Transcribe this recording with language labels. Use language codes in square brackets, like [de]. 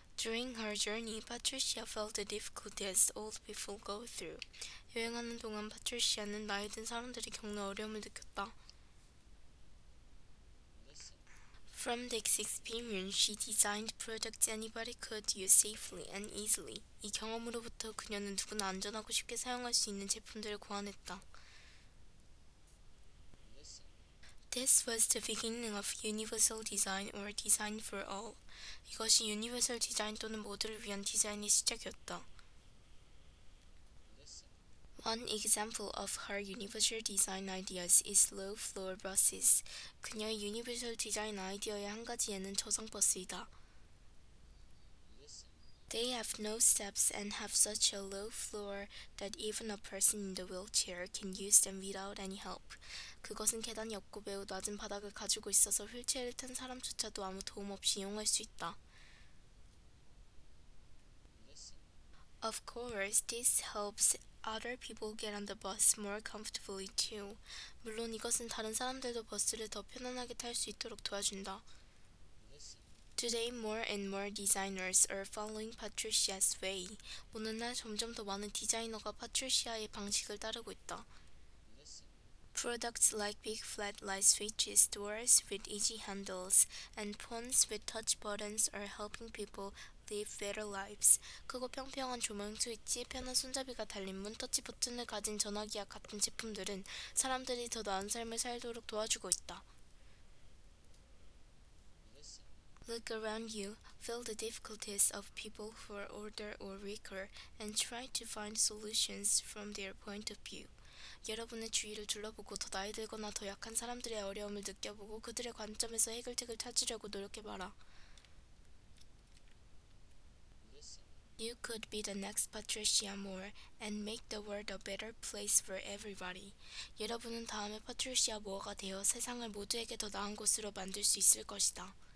[en] During her journey, Patricia felt the difficulties old people go through. [ko] 여행하는 동안 파트리시아는 나이 든 사람들이 겪는 어려움을 느꼈다. [en] From this experience, she designed products anybody could use safely and easily. [ko] 이 경험으로부터 그녀는 누구나 안전하고 쉽게 사용할 수 있는 제품들을 고안했다. [en] This was the beginning of universal design or design for all. [ko] 이것이 universal design 또는 모두를 위한 디자인의 시작이었다. [en] One example of her universal design ideas is low-floor buses. [ko] 그녀의 universal design 아이디어의 한 가지에는 저상 버스이다. [en] They have no steps and have such a low floor that even a person in the wheelchair can use them without any help. [ko] 그것은 계단이 없고 매우 낮은 바닥을 가지고 있어서 휠체어를 탄 사람조차도 아무 도움 없이 이용할 수 있다. [en] Of course, this helps other people get on the bus more comfortably too. [ko] 물론 이것은 다른 사람들도 버스를 더 편안하게 탈 수 있도록 도와준다. [en] Today, more and more designers are following Patricia's way. [ko] 오늘날 점점 더 많은 디자이너가 파트리시아의 방식을 따르고 있다. [en] Products like big flat light switches, doors with easy handles, and phones with touch buttons are helping people live better lives. [ko] 크고 평평한 조명 스위치, 편한 손잡이가 달린 문, 터치 버튼을 가진 전화기와 같은 제품들은 사람들이 더 나은 삶을 살도록 도와주고 있다. [en] Look around you, feel the difficulties of people who are older or weaker, and try to find solutions from their point of view. [ko] 여러분의 주위를 둘러보고 더 나이 들거나 더 약한 사람들의 어려움을 느껴보고 그들의 관점에서 해결책을 찾으려고 노력해봐라. [en] You could be the next Patricia Moore and make the world a better place for everybody. [ko] 여러분은 다음에 Patricia Moore가 되어 세상을 모두에게 더 나은 곳으로 만들 수 있을 것이다.